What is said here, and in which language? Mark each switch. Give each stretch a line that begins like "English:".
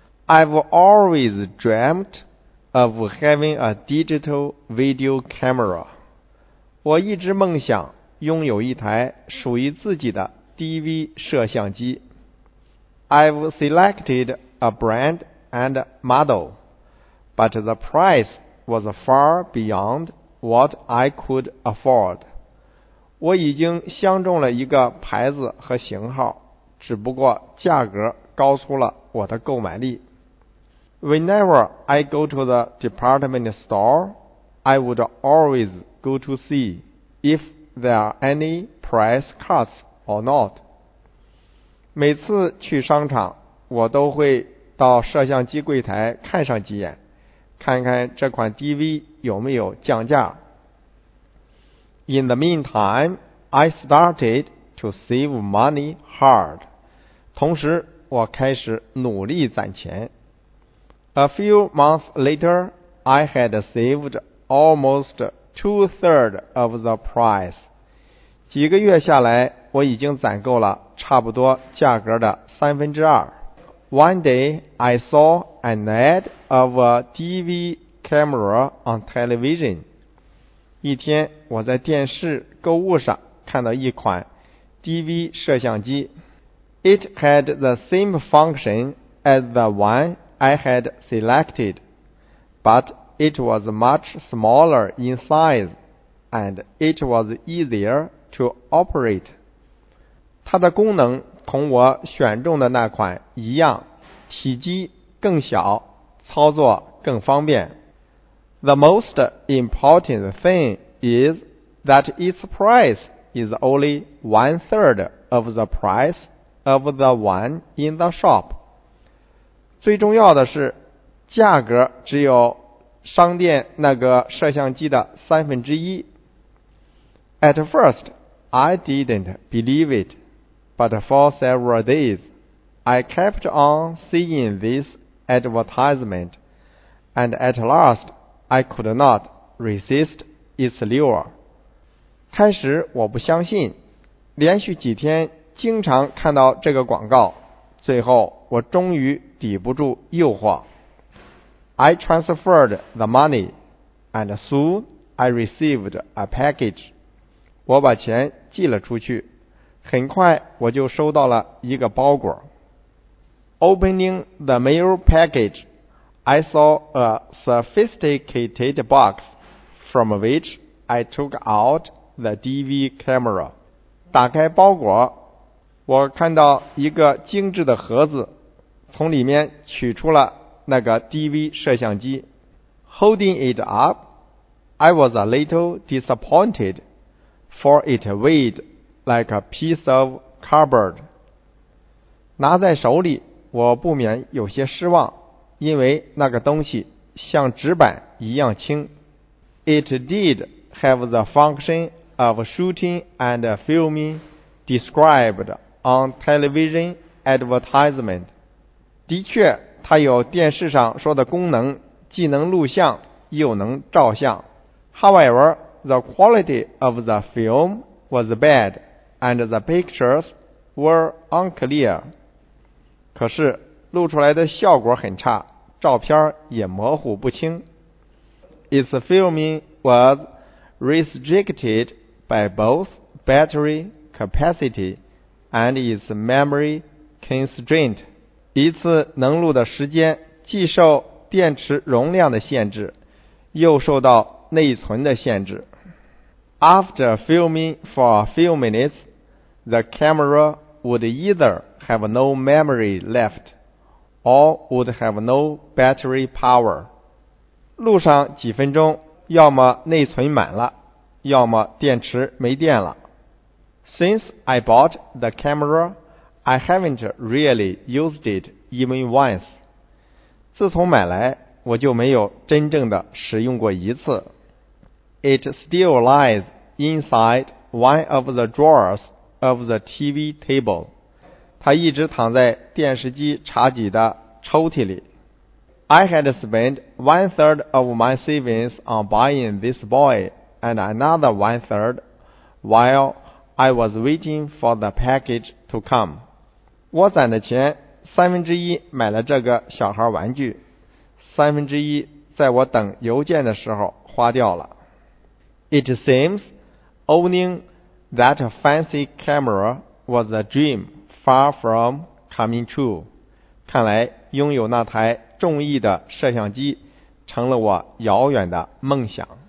English: I've always dreamt of having a digital video camera.
Chinese: 我一直梦想拥有一台属于自己的 DV 摄像机。
English: I've selected a brand and model, but the price was far beyond what I could afford.
Chinese: 我已经相中了一个牌子和型号，只不过价格高出了我的购买力。
English: Whenever I go to the department store, I would always go to see if there are any price cuts or not.
Chinese: 每次去商场，我都会到摄像机柜台看上几眼，看看这款 DV 有没有降价。
English: In the meantime, I started to save money hard.
Chinese: 同时，我开始努力攒钱。
English: A few months later, I had saved almost two-thirds of the price.
Chinese: 几个月下来，我已经攒够了差不多价格的三分之二。
English: One day, I saw an ad of a DV camera on television.
Chinese: 一天，我在电视购物上看到一款 DV 摄像机。
English: It had the same function as the one I had selected, but it was much smaller in size, and it was easier to operate.
Chinese: 它的功能同我选中的那款一样，体积更小，操作更方便。
English: The most important thing is that its price is only one-third of the price of the one in the shop.
Chinese: 最重要的是，价格只有商店那个摄像机的三分之一。
English: At first, I didn't believe it, but for several days, I kept on seeing this advertisement, and at last, I could not resist its lure.
Chinese: 开始我不相信，连续几天经常看到这个广告，最后我终于抵不住诱惑。
English: I transferred the money, and soon I received a package.
Chinese: 我把钱寄了出去，很快我就收到了一个包裹。
English: Opening the mail package, I saw a sophisticated box from which I took out the DV camera.
Chinese: 打开包裹，我看到一个精致的盒子，从里面取出了那个 DV 摄像机。
English: Holding it up, I was a little disappointed, for it weighed like a piece of cardboard.
Chinese: 拿在手里，我不免有些失望，因为那个东西像纸板一样轻。
English: It did have the function of shooting and filming described on television advertisement.
Chinese: 的确，它有电视上说的功能，既能录像又能照相。
English: However, the quality of the film was bad, and the pictures were unclear.
Chinese: 可是，录出来的效果很差，照片也模糊不清。
English: Its filming was restricted by both battery capacity and its memory constraint.
Chinese: 一次能录的时间既受电池容量的限制，又受到内存的限制。
English: After filming for a few minutes, the camera would either have no memory left or would have no battery power.
Chinese: 录上几分钟，要么内存满了，要么电池没电了。
English: Since I bought the camera,I haven't really used it even once.
Chinese: 自从买来，我就没有真正的使用过一次。
English: It still lies inside one of the drawers of the TV table.
Chinese: 它一直躺在电视机茶几的抽屉里。
English: I had spent one-third of my savings on buying this boy and another one-third while I was waiting for the package to come.
Chinese: 我攒的钱三分之一买了这个小孩玩具，三分之一在我等邮件的时候花掉了。
English: It seems owning that fancy camera was a dream far from coming true.
Chinese: 看来拥有那台中意的摄像机成了我遥远的梦想。